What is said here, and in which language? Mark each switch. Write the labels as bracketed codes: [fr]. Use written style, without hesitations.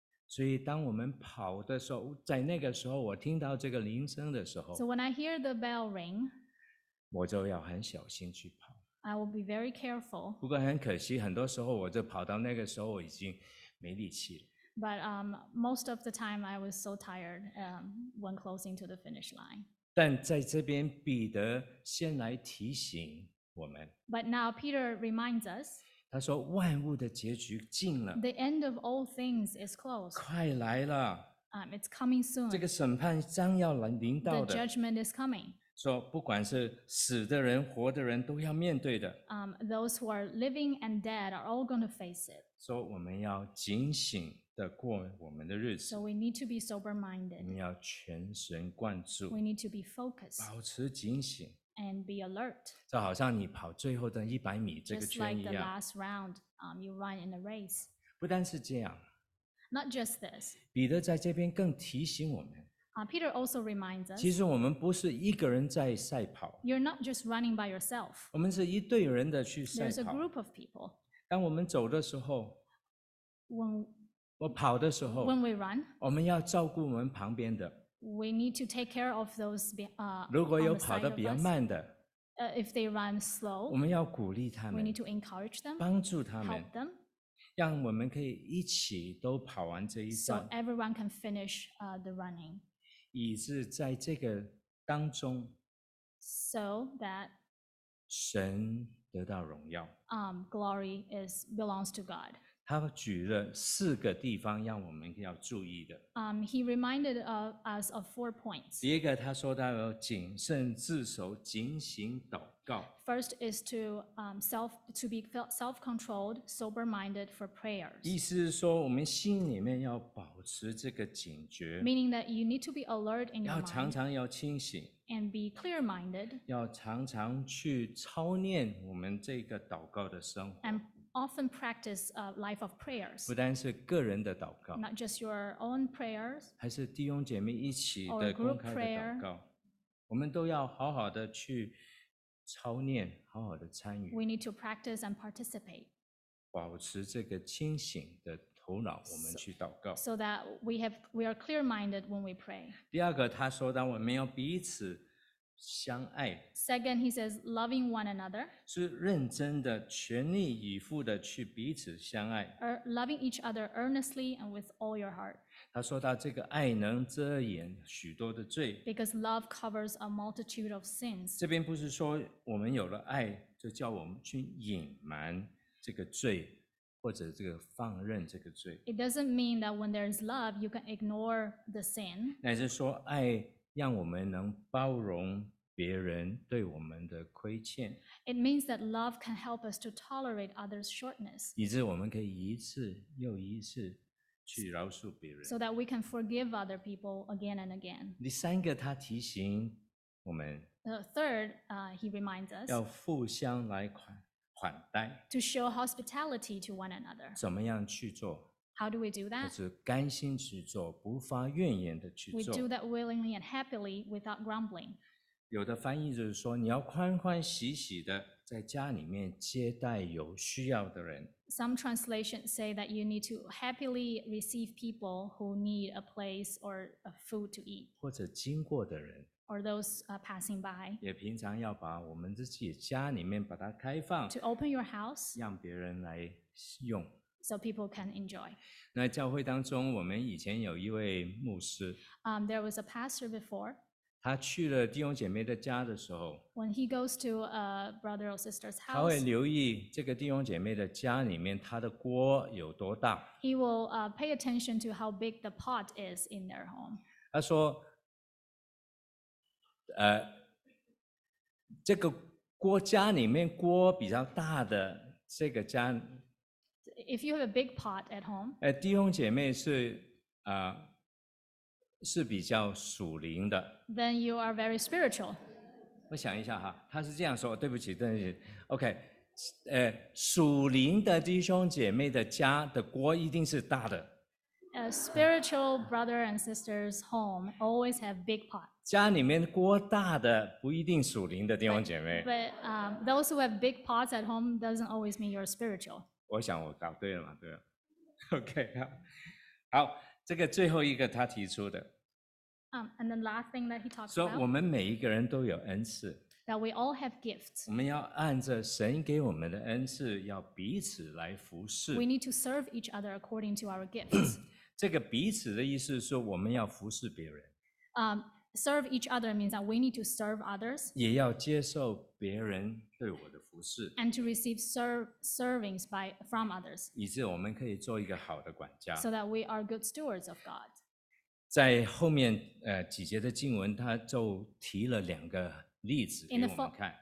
[zh] 所以当我们跑的时候，在那个时候我听到这个铃声的时候 [en] So when I hear the bell ring， [zh] 我就要很小心去跑。 [en] I will be very careful。 [zh] 不过很可惜，很多时候我就跑到那个时候我已经没力气了。 [en] But most of the time I was so tired when closing to the finish line。 [zh] 但在这边彼得先来提醒我们。 [en] But now Peter reminds us。 [zh] 他说万物的结局近了 [en] The end of all things is close [zh] 快来了 [en] It's coming soon [zh] 这个审判将要临到的 [en] The judgment is coming [zh] 说不管是死的人活的人都要面对的 [en] Those who are living and dead are all going to face it [zh] 说我们要警醒的过我们的日子 [en] So we need to be sober-minded [zh] 我们要全神贯注 [en] We need to be focused [zh] 保持警醒 [en] And be alert. [zh] 就好像你跑最后的一百米这个圈一样。 [en] Just like the last round, you run in a race. [zh] 不单是这样。 [en] Not just this. [zh] 彼得在这边更提醒我们。 [en] Peter also reminds us. [zh] 其实我们不是一个人在赛跑。 [en] You're not just running by yourself. [zh] 我们是一队人的去赛跑。 [en] There's a group of people. [zh] 当我们走的时候。 [en] When [zh] 我跑的时候。 [en] When we run. [zh] 我们要照顾我们旁边的。 [en] We need to take care of those [zh] 如果有跑得比较慢的 [en] if they run slow, [zh] 我们要鼓励他们 [en] we need to encourage them, [zh] 帮助他们 [en] help them, [zh] 让我们可以一起都跑完这一段 [en] so everyone can finish the running, [zh] 以致在这个当中 [en] so that [zh] 神得到荣耀 [en] glory belongs to God. [zh] 他举了四个地方让我们要注意的。 [en] He reminded us of four points. [zh] 第一个他说到要谨慎自守警醒祷告。 [en] First is to be self-controlled, sober-minded for prayers. [zh] 意思是说我们心里面要保持这个警觉。 [en] Meaning that you need to be alert in your mind. [zh] 要常常要清醒。 [en] And be clear-minded. [zh] 要常常去操练我们这个祷告的生活。 [en] Often practice a life of prayers. [zh] 不单是个人的祷告 [en] not just your own prayers. [zh] 还是弟兄姐妹一起的公开的祷告 我们都要好好的去操练，好好的参与。 [en] We need to practice and participate. [zh] 保持这个清醒的头脑，我们去祷告。 [en] So that we are clear-minded when we pray. [zh] 第二个，他说到我们要彼此。相爱 [en] Second, he says, loving one another. [zh] 是认真的，全力以赴的去彼此相爱。 [en] Loving each other earnestly and with all your heart. [zh] 他说到这个爱能遮掩许多的罪。 [en] Because love covers a multitude of sins. [zh] 这边不是说我们有了爱，就叫我们去隐瞒这个罪。或者这个放任这个罪。 [en] It doesn't mean that when there's love, you can ignore the sin. [zh] 乃是说爱让我们能包容别人对我们的亏欠。 [en] It means that love can help us to tolerate others' shortness. [zh] 以致我们可以一次又一次去饶恕别人。 [en] So that we can forgive other people again and again. [zh] 第三个，他提醒我们。 [en] The third, he reminds us. [zh] 要互相来款。款待 [en] to show hospitality to one another. [zh] 怎么样去做？ [en] How do we do that? [zh] 就是甘心去做，不发怨言的去做。 [en] We do that willingly and happily without grumbling. [zh] 有的翻译就是说，你要欢欢喜喜的在家里面接待有需要的人。 [en] Some translations say that you need to happily receive people who need a place or a food to eat. [zh] 或者经过的人。 [en] Or those passing by. [zh] 也平常要把我们自己家里面把它开放。 [en] To open your house. [zh] 让别人来用。 [en] So people can enjoy. [zh] 那教会当中，我们以前有一位牧师。 [en] There was a pastor before. [zh] 他去了弟兄姐妹的家的时候。 [en] When he goes to a brother or sister's house. [zh] 他会留意这个弟兄姐妹的家里面他的锅有多大。 [en] He will pay attention to how big the pot is in their home. [zh] 他说。这个锅家里面锅比较大的这个家 [en] If you have a big pot at home [zh] 弟兄姐妹是是比较属灵的 [en] Then you are very spiritual [zh] 我想一下哈他是这样说对不起对不起 OK 属灵的弟兄姐妹的家的锅一定是大的 [en] A spiritual brother and sister's home always have big pot [zh] 家里面锅大的不一定属灵的弟兄姐妹。 [en] But those who have big pots at home doesn't always mean you're spiritual. [zh] 我想我搞对了嘛，对吧 ？OK， 好，好，这个最后一个他提出的。 [en] And the last thing that he talked about. [zh] 说我们每一个人都有恩赐。 [en] That we all have gifts. [zh] 我们要按着神给我们的恩赐，要彼此来服侍。 [en] We need to serve each other according to our gifts. [zh] 这个彼此的意思是说我们要服侍别人。 [en] Serve each other means that we need to serve others. [zh] 也要接受别人对我的服侍。 [en] And to receive servings by from others. [zh] 以致我们可以做一个好的管家。 [en] So that we are good stewards of God. [zh] 在后面几节的经文，他就提了两个例子给我们看。